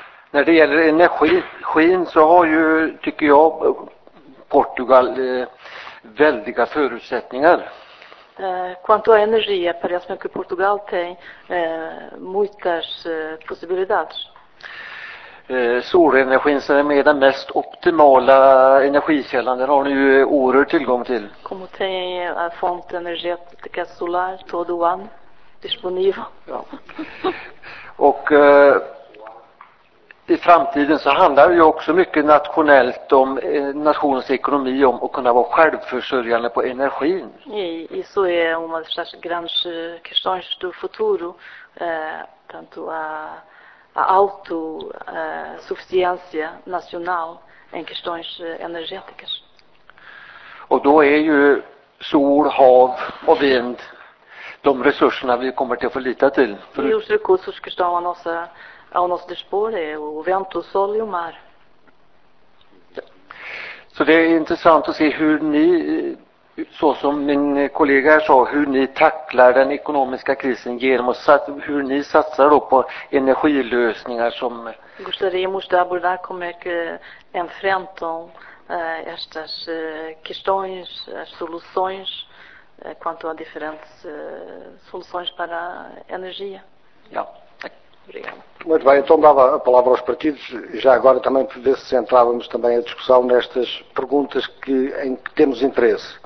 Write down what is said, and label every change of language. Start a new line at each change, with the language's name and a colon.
Swedish: När det gäller energin så har ju, tycker jag, Portugal väldiga förutsättningar.
Portuguese: Quanto à energia, parece-me que Portugal tem muitas possibilidades.
Swedish: Solenergin som är den mest optimala energikällan, den har ni ju oerhört tillgång till.
Portuguese: Como tem a fonte energética solar todo ano disponível.
Swedish: Ja. Och i framtiden så handlar det ju också mycket nationellt om nationens ekonomi, om att kunna vara självförsörjande på energin. I så är en av
Portuguese: de grandes questões do futuro, tanto a autosuficiência nacional em questões energéticas.
Swedish: Och då är ju sol, hav och vind de resurserna vi kommer till att få lita till.
Portuguese: I os recursos que estão a nossa ao nosso dispor é o vento, o sol e o mar.
Swedish: Så det är intressant att se hur ni, så som min kollega sa, hur ni tacklar den ekonomiska krisen genom att hur ni satsar på energilösningar som.
Portuguese: Gostaríamos de abordar como é que enfrentam estas questões, as soluções quanto a diferentes soluções para a energia. Obrigada. Muito bem, então dava a palavra aos partidos e já agora também ver se entrávamos também a discussão nestas perguntas que, em que temos interesse.